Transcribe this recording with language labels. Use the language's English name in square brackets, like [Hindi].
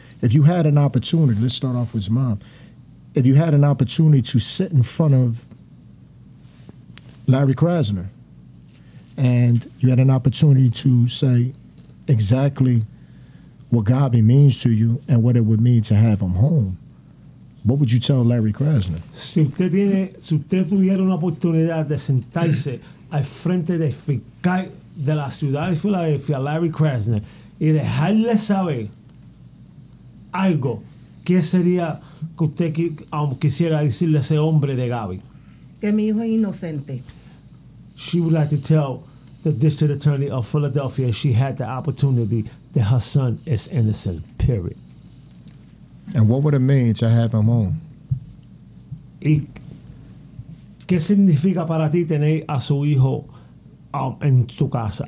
[English] If you had an opportunity, let's start off with his mom. If you had an opportunity to sit in front of Larry Krasner and you had an opportunity to say exactly what Gaby means to you and what it would mean to have him home, what would you tell Larry Krasner? [Spanish] Si usted tuviera una oportunidad de sentarse al frente del fiscal de la ciudad de Filadelfia, Larry Krasner, y dejarle saber algo, ¿qué sería que usted quisiera decirle a ese hombre de Gaby? Que mi hijo es inocente. [English] She would like to tell the district attorney of Philadelphia she had the opportunity that her son is innocent, period. And what would it mean to have him home? [Spanish] ¿Y qué significa para ti tener a su hijo en tu casa?